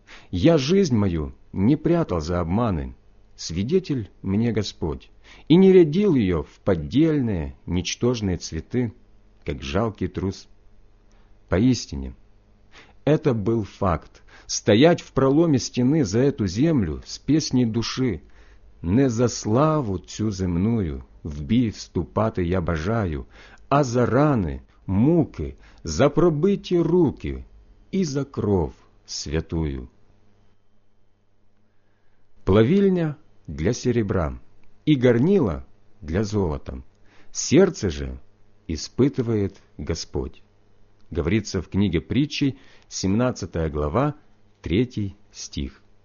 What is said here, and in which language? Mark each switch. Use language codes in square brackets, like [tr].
[ru] Я жизнь мою не прятал за обманы, свидетель мне Господь, и не рядил ее в поддельные, ничтожные цветы, как жалкий трус. Поистине, это был факт — стоять в проломе стены за эту землю с песней души. [uk] Не за славу цю земную в бій вступати я бажаю, а за рани, муки, за пробиті руки і за кров святую. [ru] Плавильня для серебра и горнила для золота. Сердце же испытывает Господь. Говорится в книге притчей, 17 глава, 3 стих.